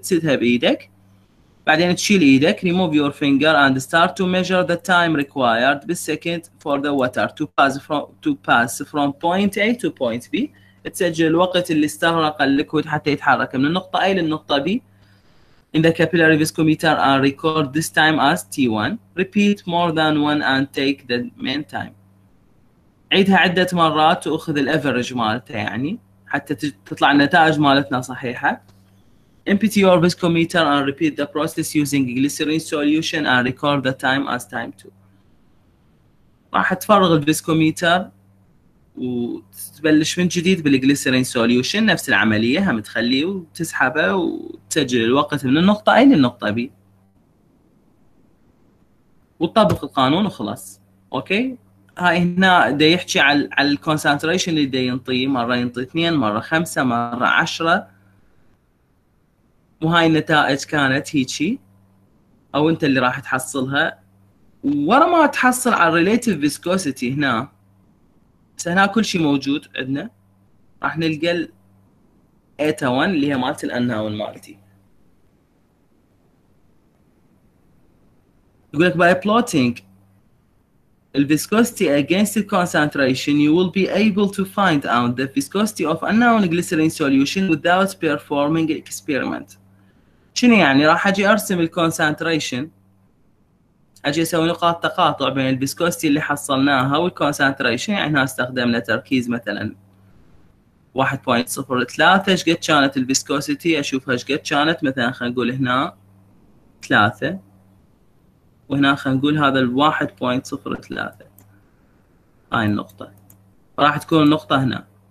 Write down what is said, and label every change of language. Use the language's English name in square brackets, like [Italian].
[Arabic] تسدها بإيدك بعدين تشيل ايدك [English] remove your finger and start to measure the time required per second for the water to pass from point A to point B. [Arabic] تسجل الوقت اللي استغرق الليكويد حتى يتحرك من النقطة A للنقطة B [English] in the capillary viscometer and record this time as T1. Repeat more than one and take the mean time. [Arabic] عيدها عدة مرات وأخذ الأفرج مالتها يعني حتى تطلع النتائج مالتنا صحيحة. [English] Empty your viscometer and repeat the process using glycerin solution and record the time as time 2. [Arabic] راح تفرغ الفيسكوميتر وتبلش من جديد بالجليسرين سوليوشن نفس العملية، هم تخليه وتسحبه وتسجل الوقت من النقطة A للنقطة B وتطبق القانون وخلاص. أوكي، هاي هنا دا يحكي على على الكونسنتريشن اللي دا ينطي، مرة ينطي 2 مرة 5 مرة 10، وهاي النتائج كانت هيجي أو أنت اللي راح تحصلها. ورا ما تحصل على الريليتيف فيسكوسيتي هنا، بس هنا كل شيء موجود عندنا، راح نلقى الـ إيتا 1 اللي هي مالت الأنهاون مالتي. يقولك [English] by plotting the viscosity against the concentration you will be able to find out the viscosity of unknown glycerin solution without performing experiment. [Arabic] شنو يعني؟ راح اجي ارسم الconcentration، اجي اسوي نقاط تقاطع بين الviscosity اللي حصلناها والconcentration، يعني استخدمنا تركيز مثلا 1.03 ايش قد كانت الviscosity، اشوفها ايش قد كانت مثلا، خلينا نقول هنا 3 وهنا خلينا نقول هذا ال 1.03 هاي النقطة، راح تكون النقطة هنا.